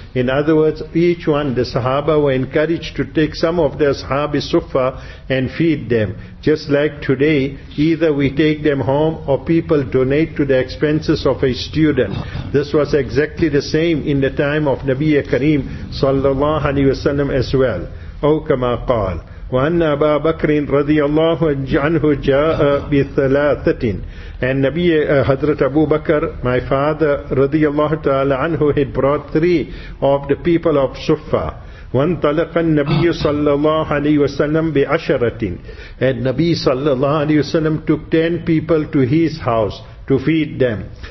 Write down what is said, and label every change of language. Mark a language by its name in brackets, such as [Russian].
[English] In other words, each one, the Sahaba were encouraged to take some of their Ashabi Sufa and feed them. Just like today, either we take them home or people donate to the expenses of a student. This was exactly the same in the time of Nabi Kareem sallallahu alayhi wa sallam as well. [Arabic] أو كما قال وَأَنَّ أَبَا بَكْرٍ رَضِيَ اللَّهُ عَنْهُ جَاءَ بِثَلَاثَةٍ. [English] And Nabi Hazrat Abu Bakr, my father [Arabic] رَضِيَ اللَّهُ تَعَالَ عَنْهُ, [English] had brought three of the people of Suffa. [Arabic] وَانْطَلَقَ النَّبِيُّ صَلَّى اللَّهُ عَلَيْهِ وَسَلَّمْ بِعَشَرَةٍ. [English] And Nabi sallallahu alayhi wa sallam took 10 people to his house to feed them.